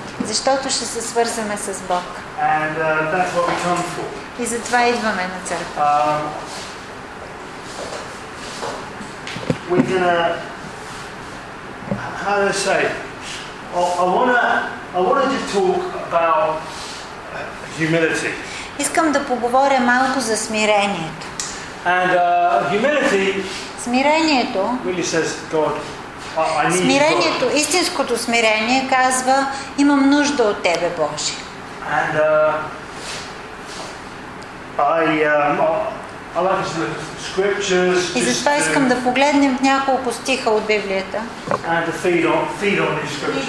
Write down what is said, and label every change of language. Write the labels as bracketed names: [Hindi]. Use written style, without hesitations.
[Bulgarian] Защото ще се свързваме с Бог. [English] And that's what we come for. [Bulgarian] И затова идваме на църква. [English] We're going to, how do I say? I want to talk about humility. [Bulgarian] Искам да поговоря малко за смирението. [English] And humility. [Bulgarian] Смирението. [English] Really says God. [Bulgarian] Смирението, истинското смирение казва, имам нужда от Тебе, Боже. [English] And I like some scriptures. [Bulgarian] И затова искам да погледнем няколко стиха от Библията. [English] And to feed on these scriptures.